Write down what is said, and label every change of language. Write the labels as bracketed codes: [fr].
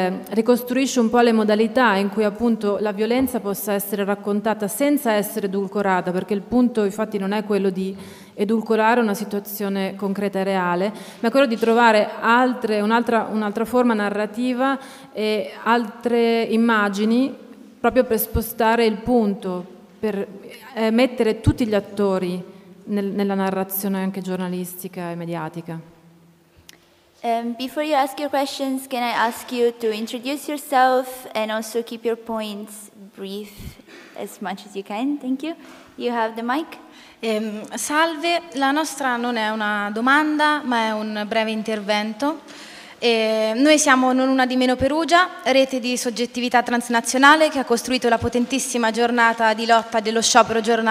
[it] ricostruisce un po' le modalità in cui appunto la violenza possa essere raccontata senza essere edulcorata, perché il punto infatti non è quello di edulcorare una situazione concreta e reale, ma quello di trovare un'altra forma narrativa e altre immagini proprio per spostare il punto, per mettere tutti gli attori nella narrazione anche giornalistica e mediatica. [en] Before you ask your questions, can I ask you to introduce yourself and also keep your points brief as much as you can? Thank you. You have the mic. [it] Salve, la nostra non è una domanda, ma è un breve intervento. Noi siamo Non Una di Meno Perugia, rete di soggettività transnazionale che ha costruito la potentissima giornata di lotta dello sciopero